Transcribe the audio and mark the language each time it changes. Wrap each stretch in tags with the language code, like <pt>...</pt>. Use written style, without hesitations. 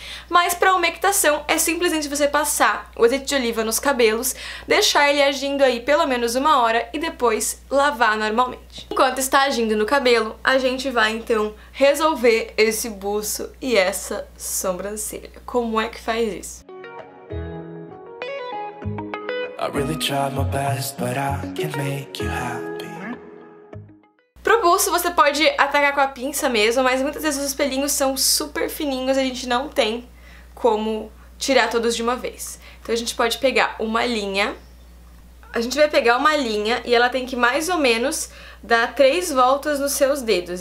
<pt>Mas para umectação é simplesmente você passar o azeite de oliva nos cabelos, deixar ele agindo aí pelo menos uma hora e depois lavar normalmente. Enquanto está agindo no cabelo, a gente vai então resolver esse buço e essa sobrancelha. Como é que faz isso?</pt> <en>I really tried my best, but I can't make you happy.</en> <pt>Pro buço você pode atacar com a pinça mesmo, mas muitas vezes os pelinhos são super fininhos e a gente não tem como tirar todos de uma vez. Então a gente pode pegar uma linha. A gente vai pegar uma linha e ela tem que mais ou menos dar 3 voltas nos seus dedos.</pt>